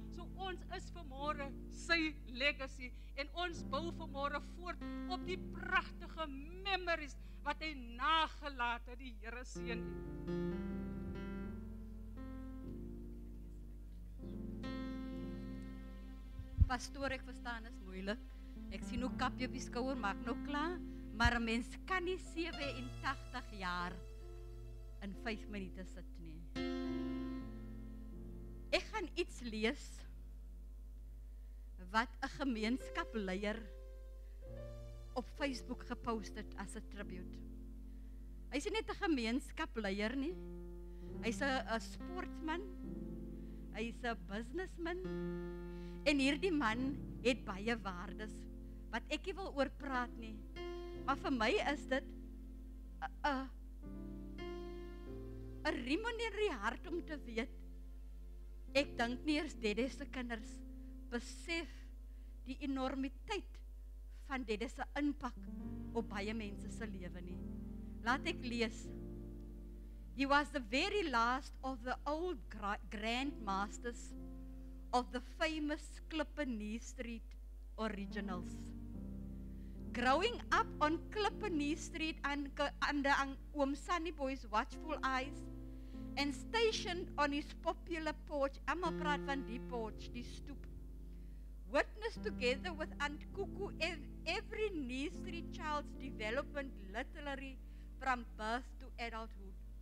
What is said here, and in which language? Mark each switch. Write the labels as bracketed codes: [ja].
[af] So ons is vanmôre sy legacy en ons bou vanmôre voort op die pragtige memories wat hy nagelaat het, die Here seën. Pastoor, ek verstaan is moeilik. Ek sien hoe kap jy op die skouer, maak nou klaar. Maar een mens kan nie 87 jaar in 5 minute sit nie. Ek gaan iets lees wat een gemeenskapleier op Facebook gepost het as 'n tribute. Hy is nie net 'n gemeenskapleier nie. Hy is 'n sportman. Hy is 'n businessman. En hierdie man het baie waardes wat ek nie wil oor praat nie. Maar vir my is dit 'n riem in die hart om te weet. Ek dink nie eers Dede se kinders besef die enormiteit van Dede se impak op baie mense se lewe nie. Laat ek lees. [en] He was the very last of the old grandmasters of the famous Klippenie Street originals. Growing up on Klippenie Street under Oom Sunny Boy's watchful eyes and stationed on his popular porch, [af] Emma praat van die porch, die stoep, [en] witnessed together with Aunt Cuckoo every Knee Street child's development literally from birth to adulthood.